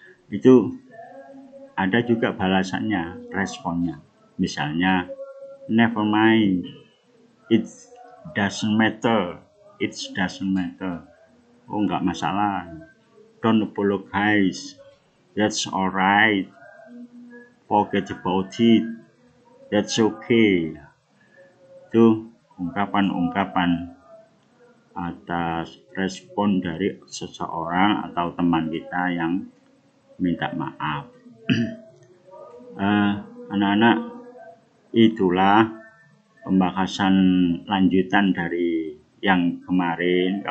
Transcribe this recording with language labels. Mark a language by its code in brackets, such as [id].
[id] Itu ada juga balasannya, responnya. Misalnya, [en] never mind, it's doesn't matter, it doesn't matter. [id] Oh, enggak masalah. [en] Don't apologize, that's all right. Forget about it, that's okay. [id] Itu ungkapan-ungkapan atas respon dari seseorang atau teman kita yang minta maaf. Anak-anak, itulah pembahasan lanjutan dari yang kemarin.